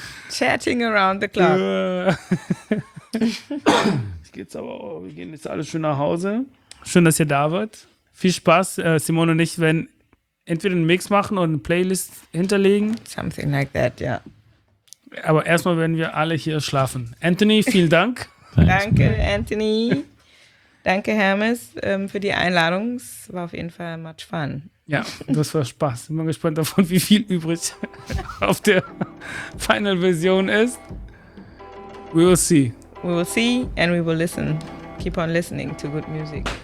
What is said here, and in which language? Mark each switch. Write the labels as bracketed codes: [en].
[en] Chatting around the clock. [de] Wir gehen jetzt alle schön nach Hause. Schön, dass ihr da wart. Viel Spaß, Simone und ich, wenn entweder einen Mix machen oder eine Playlist hinterlegen. [en] Something like that, ja. [de] Aber erstmal werden wir alle hier schlafen. Anthony, vielen Dank. [en] Thanks, [de] danke, man. Anthony. Danke, Hermes, für die Einladung. Es war auf jeden Fall [en] much fun. [de] Ja, das war Spaß. Ich bin gespannt davon, wie viel übrig auf der Final Version ist. [en] We will see. We will see and we will listen. Keep on listening to good music.